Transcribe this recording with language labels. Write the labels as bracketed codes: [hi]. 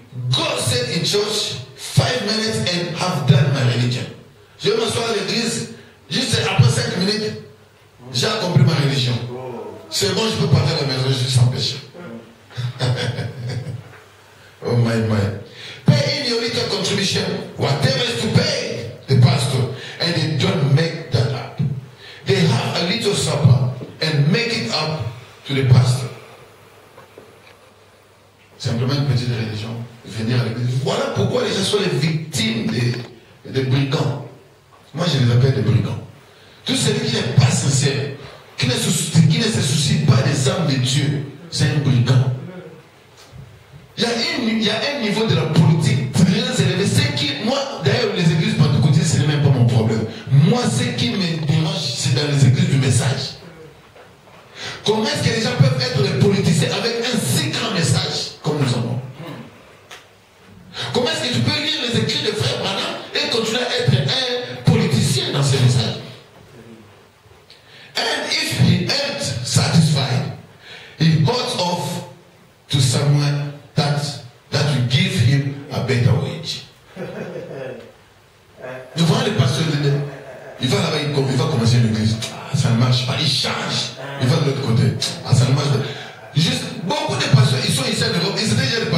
[en] God said in church, 5 minutes and have done my religion. [fr] Je m'assois à l'église, juste après 5 minutes, j'ai accompli ma religion. C'est bon, je peux partir à la maison, je suis sans péché. [en] Oh my, my. Pay in your little contribution, whatever is to pay, the pastor, and they don't make that up. They have a little supper. And make it up to the pastor. [fr] Simplement une petite religion. Venir à l'église. Voilà pourquoi les gens sont les victimes des brigands. Moi, je les appelle des brigands. Tout celui qui n'est pas sincère, qui ne se soucie pas des âmes de Dieu, c'est un brigand. Il y a un niveau de la politique très élevé. C'est qui, moi, d'ailleurs, les églises pentecôtistes, ce n'est même pas mon problème. Moi, ce qui me dérange, c'est dans les églises du message. Comment est-ce que les gens peuvent être des politiciens avec un si grand message comme nous avons? Comment est-ce que tu peux lire les écrits de frère Branham et continuer à être un politicien dans ce message? [en] And if he ain't satisfied, he holds off to someone that will give him a better wage. [fr] Tu vois le pasteur, il va là-bas, il va commencer une église. Ça ne marche pas, il change. Il va de l'autre côté. Ah, ça ne marche pas. Juste, beaucoup de pasteurs, ils sont ici en Europe, ils étaient déjà